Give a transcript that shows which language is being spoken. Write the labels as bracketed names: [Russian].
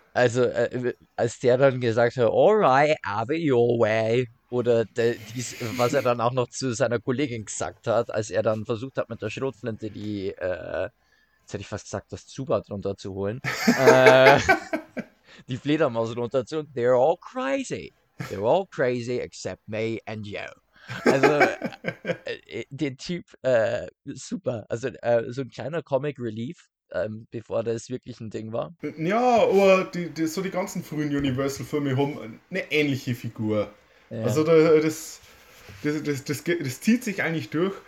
[German] Also, als der dann gesagt hat, [English] alright, I'll be your way. [German] Oder was er dann auch noch zu seiner Kollegin gesagt hat, als er dann versucht hat, mit der Schrotflinte jetzt hätte ich fast gesagt, das Zubat runterzuholen, die Fledermaus runterzuholen. [English] They're all crazy. They're all crazy except me and you. [German] Also, den Typ, super. Also, so ein kleiner Comic Relief, bevor das wirklich ein Ding war. Ja, aber so die ganzen frühen Universal-Filme haben eine ähnliche Figur. Also das zieht sich eigentlich durch.